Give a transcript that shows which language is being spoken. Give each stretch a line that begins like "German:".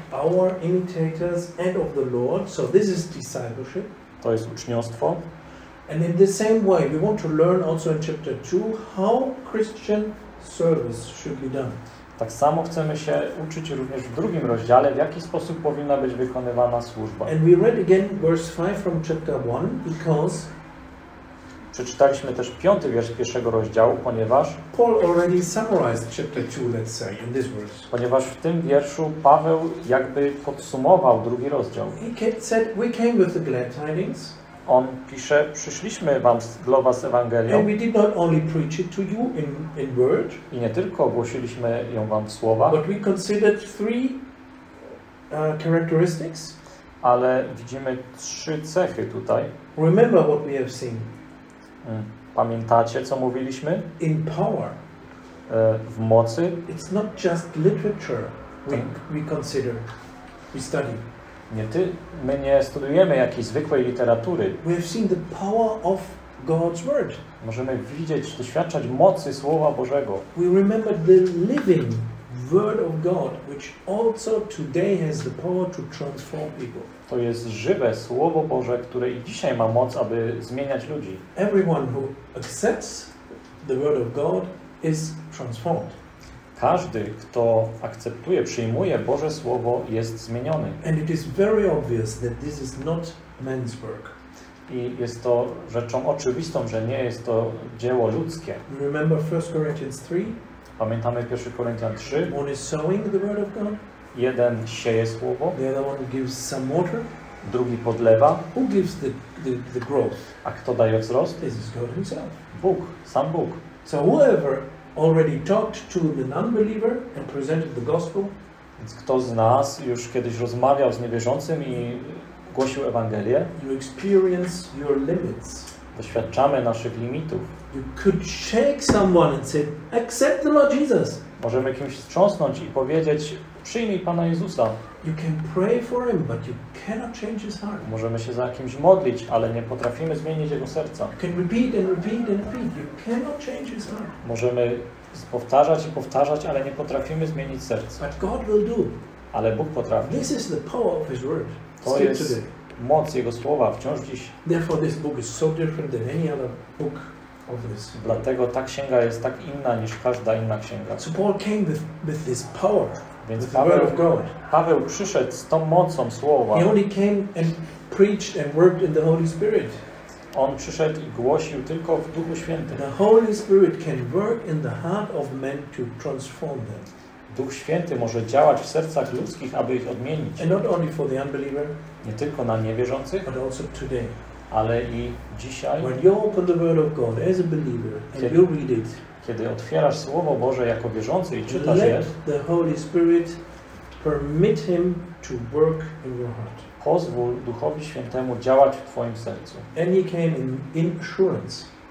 English: Our imitators and of the Lord. So this is discipleship.
Polish: To jest uczniostwo.
English: And in the same way we want to learn also in chapter 2 how Christian service should be done.
Polish: Tak samo chcemy się uczyć również w drugim rozdziale, w jaki sposób powinna być wykonywana służba.
English: And we read again verse 5 from chapter 1 because
Polish: przeczytaliśmy też piąty wiersz pierwszego rozdziału, ponieważ
English: Paul already summarized chapter 2, let's say, in this verse.
Polish: Ponieważ w tym wierszu Paweł jakby podsumował drugi rozdział.
English: He said, we came with the glad tidings.
Polish: On pisze, przyszliśmy wam dla was z Ewangelią.
English: And we did not only preach it to you in word.
Polish: I nie tylko głosiliśmy ją wam w słowa.
English: But we considered three characteristics.
Polish: Ale widzimy trzy cechy tutaj.
English: Remember what we have seen.
Polish: Pamiętacie, co mówiliśmy?
English: In power.
Polish: W mocy.
English: It's not just literature we consider, we study.
Polish: My nie studujemy jakiejś zwykłej literatury.
English: We have seen the power of God's word.
Polish: Możemy widzieć, doświadczać mocy Słowa Bożego.
English: We remember the living word of God, which also today has the power to transform people.
Polish: To jest żywe Słowo Boże, które i dzisiaj ma moc, aby zmieniać ludzi.
English: Everyone who accepts the word of God is transformed.
Polish: Każdy, kto akceptuje, przyjmuje Boże Słowo, jest zmieniony.
English: And it is very obvious that this is not man's work.
Polish: I jest to rzeczą oczywistą, że nie jest to dzieło ludzkie.
English: Remember 1 Corinthians 3?
Polish: Pamiętamy 1 Koryntian 3?
English: One is sowing the word of God.
Polish: Jeden sieje słowo.
English: The other one gives some water.
Polish: Drugi podlewa.
English: Who gives the growth?
Polish: A kto daje wzrost?
English: This is God himself.
Polish: Bóg, sam Bóg.
English: So whoever already talked to the non-believer and presented the gospel.
Polish: Więc kto z nas już kiedyś rozmawiał z niewierzącym i głosił Ewangelię?
English: You experience your limits.
Polish: Doświadczamy naszych limitów.
English: You could shake someone and say, accept the Lord Jesus.
Polish: Możemy kimś wstrząsnąć i powiedzieć, przyjmij Pana Jezusa.
English: You can pray for him, but you cannot change his heart.
Polish: Możemy się za kimś modlić, ale nie potrafimy zmienić jego serca.
English: You can repeat and repeat and repeat. You cannot change his heart.
Polish: Możemy powtarzać i powtarzać, ale nie potrafimy zmienić serca.
English: But God will do.
Polish: Ale Bóg potrafi.
English: This is the power of his word.
Polish: To jest moc Jego Słowa wciąż dziś.
English: Therefore this book is so different than any other book of this.
Polish: Dlatego ta księga jest tak inna niż każda inna księga.
English: So Paul came with this power.
Polish: Więc
English: with the word of God.
Polish: Paweł przyszedł z tą mocą Słowa.
English: He only came and preached and worked in the Holy Spirit.
Polish: On przyszedł i głosił tylko w Duchu Świętym.
English: The Holy Spirit can work in the heart of men to transform them.
Polish: Duch Święty może działać w sercach ludzkich, aby ich odmienić.
English: And not only for the unbeliever,
Polish: nie tylko na niewierzących,
English: but also today.
Polish: Ale i dzisiaj.
English: When you open the word of God as a believer and you read it,
Polish: kiedy otwierasz Słowo Boże jako wierzący i czytasz
English: je, the Holy Spirit permit him to work in your heart.
Polish: Pozwól Duchowi Świętemu działać w twoim sercu.
English: And he came in assurance.